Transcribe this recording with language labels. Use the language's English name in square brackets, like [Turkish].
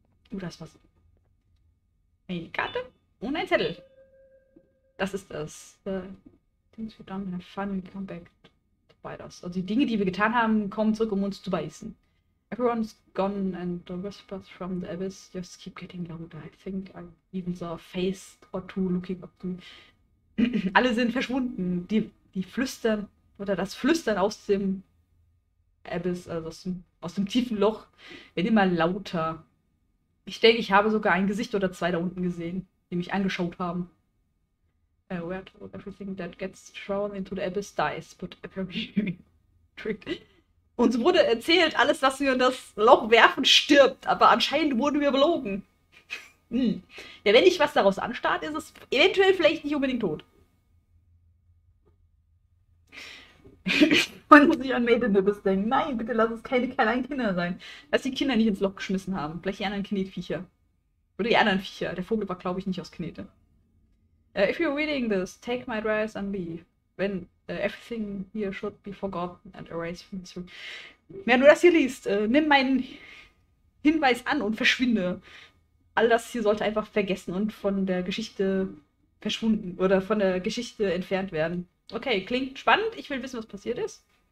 [German] Das ist was. Eine Karte und ein Zettel. Das ist das. [English] Things we've done have finally come back to bite us. [German] Also die Dinge, die wir getan haben, kommen zurück, um uns zu beißen. [English] Everyone's gone and the whispers from the abyss just keep getting louder. I think I even saw a face or two looking up to me. [German] Alle sind verschwunden. Die flüstern, oder das Flüstern aus dem Abyss, also aus dem tiefen Loch, wird immer lauter. Ich denke, ich habe sogar ein Gesicht oder zwei da unten gesehen, die mich angeschaut haben. [English] Where to everything that gets thrown into the abyss dies, but apparently tricked. [German] Uns wurde erzählt, alles, was wir in das Loch werfen, stirbt. Aber anscheinend wurden wir belogen. Ja, wenn ich was daraus anstarte, ist es eventuell vielleicht nicht unbedingt tot. Man muss sich an Maiden Nibbles denken. Nein, bitte lass es keine kleinen Kinder sein. Lass die Kinder nicht ins Loch geschmissen haben. Vielleicht die anderen Knetviecher. Oder die anderen Viecher. Der Vogel war, glaube ich, nicht aus Knete. [English] If you're reading this, take my advice and leave. When everything here should be forgotten and erased from history. [German] Wenn du das hier liest, nimm meinen Hinweis an und verschwinde. All das hier sollte einfach vergessen und von der Geschichte verschwunden oder von der Geschichte entfernt werden. Okay, klingt spannend. Ich will wissen, was passiert ist.